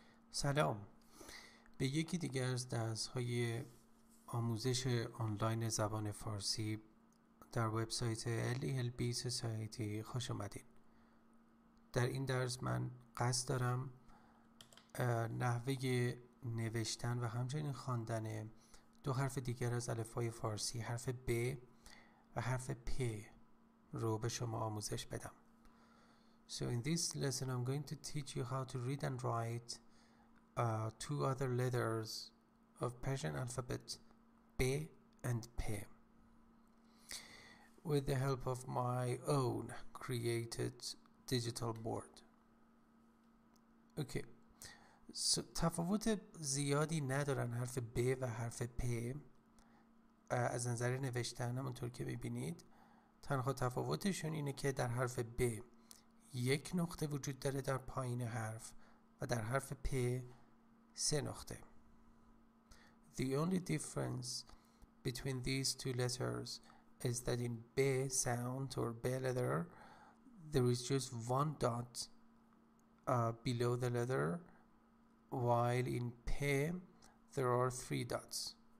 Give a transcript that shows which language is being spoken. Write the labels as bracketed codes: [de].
[fa] سلام به یکی دیگر از درس‌های آموزش آنلاین زبان فارسی در وبسایت LELB سوسایتی خوش آمدید. در این درس من قصد دارم نحوه نوشتن و همچنین خواندن دو حرف دیگر از الفبای فارسی، حرف ب و حرف پ رو به شما آموزش بدم. [en] So in this lesson I'm going to teach you how to read and write two other letters of Persian alphabet B and P with the help of my own created digital board. Okay. [fa] So تفاوت زیادی ندارن حرف B و حرف P از نظر نوشتن، همونطور که ببینید. تنها تفاوتشون اینه که در حرف B یک نقطه وجود داره در پایین حرف و در حرف P سه نقطه. [en] The only difference between these two letters is that in B sound or B letter there is just one dot below the letter, while in P there are three dots.